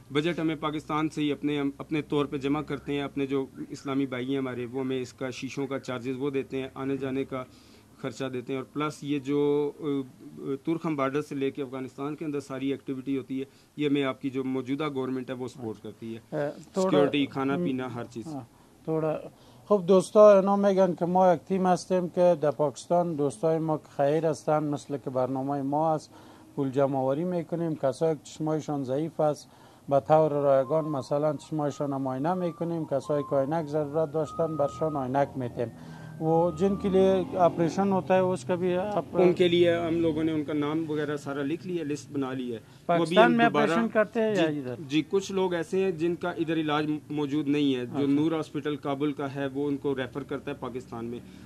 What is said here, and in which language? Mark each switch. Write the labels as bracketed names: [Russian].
[Hindi] Budget हमें पाकिस्तान से ही अपने तौर पे जमा करते हैं. अपने जो इस्लामी भाई हैं हमारे वो हमें इसका शीशों का चार्जेस वो देते हैं, आने जाने का खर्चा देते हैं और प्लस ये जो तुर्कम बॉर्डर से लेके अफगानिस्तान के अंदर सारी एक्टिविटी होती है ये हमें आपकी जो मौजूदा गवर्नमेंट है वो सपोर्ट करती है. सिक्योरिटी, खाना पीना, हर चीज़. [Persian] थोड़ा خب دوستا اینا میگن که ما یک تیم هستیم که در پاکستان دوستای ما خیر هستن مثل که برنامه ما هست پول جمع‌آوری میکنیم. کسایی که چشمایشان ضعیف است به طور رایگان مثلا چشمایشان هم آینه میکنیم. کسایی که آینک ضرورت داشتن برشان آینک میتیم. [Hindi] वो जिनके लिए ऑपरेशन होता है उसका भी उनके लिए हम लोगों ने उनका नाम वगैरह सारा लिख लिया, लिस्ट बना ली है. पाकिस्तान में ऑपरेशन करते हैं या इधर? जी, कुछ लोग ऐसे हैं जिनका इधर इलाज मौजूद नहीं है. जो नूर हॉस्पिटल काबुल का है वो उनको रेफर करता है पाकिस्तान में.